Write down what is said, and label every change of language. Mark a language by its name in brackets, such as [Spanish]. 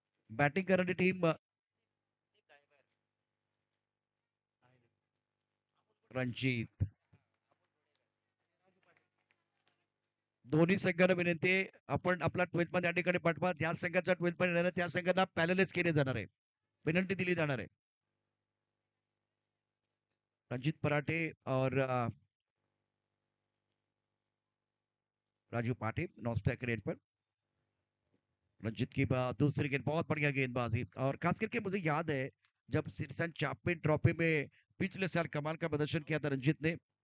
[Marathi] Batting करणारी team Ranjit. दोन्ही संघाला विनंती, आपण आपला 12th man या ठिकाणी पाठवा. ज्या संघाचा 12th man येणार आहे त्या संघाला पॅनलाइज केले जाणार आहे, विनंती दिली जाणार आहे. [Hindi] रणजित पराटे और राजू पाटे नॉस्टा क्रिएट पर. रणजित की दूसरी गेंद, बहुत बढ़िया गेंदबाजी. और खास करके मुझे याद है जब सिरसन चैंपियन ट्रॉफी में पिछले साल कमाल का प्रदर्शन किया था रणजित ने.